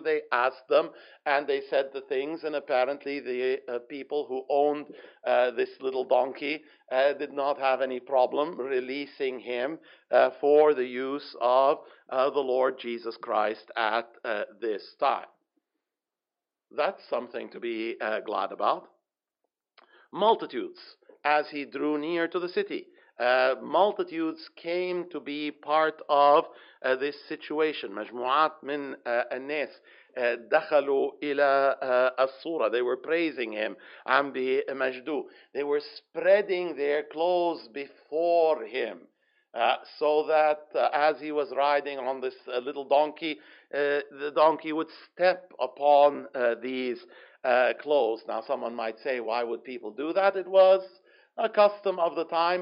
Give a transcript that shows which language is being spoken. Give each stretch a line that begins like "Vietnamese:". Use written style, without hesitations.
English: They asked them, and they said the things, and apparently the people who owned this little donkey did not have any problem releasing him for the use of the Lord Jesus Christ at this time. That's something to be glad about. Multitudes, as he drew near to the city. Multitudes came to be part of this situation.
Arabic: مجموعات من الناس دخلوا إلى الصورة.
English: They were praising him.
Arabic: عم بمجدو.
English: They were spreading their clothes before him. So that as he was riding on this little donkey, the donkey would step upon these clothes. Now someone might say, why would people do that? It was a custom of the time.